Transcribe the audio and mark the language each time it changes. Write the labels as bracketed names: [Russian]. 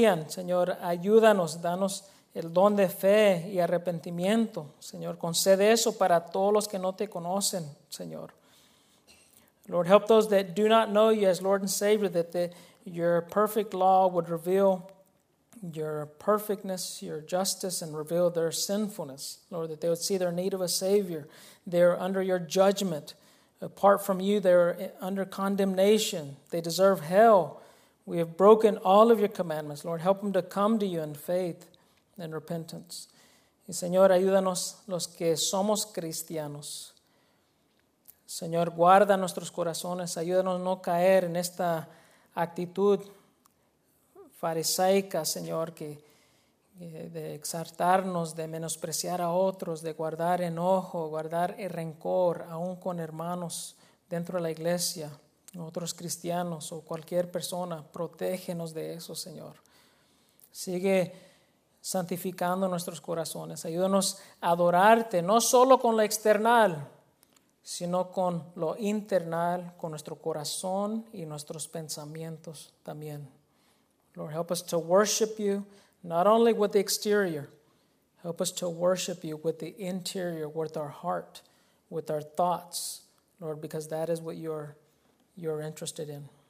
[Spanish] Señor, ayúdanos, danos el don de fe y arrepentimiento. Señor, concede eso para todos los que no te conocen, Señor. [English] Lord, help those that do not know you as Lord and Savior, that your perfect law would reveal your perfectness, your justice, and reveal their sinfulness. Lord, that they would see their need of a Savior. They are under your judgment. Apart from you, they are under condemnation. They deserve hell. We have broken all of your commandments. Lord, help them to come to you in faith and repentance. [Spanish] Y Señor, ayúdanos los que somos cristianos. Señor, guarda nuestros corazones. Ayúdanos no caer en esta actitud farisaica, Señor, que de exaltarnos, de menospreciar a otros, de guardar enojo, guardar el rencor, aún con hermanos dentro de la iglesia, otros cristianos o cualquier persona. Protégenos de eso, Señor. Sigue santificando nuestros corazones. Ayúdanos a adorarte, no solo con lo external, sino con lo internal, con nuestro corazón y nuestros pensamientos también. [English] Lord, help us to worship you, not only with the exterior. Help us to worship you with the interior, with our heart, with our thoughts, Lord, because that is what you're interested in.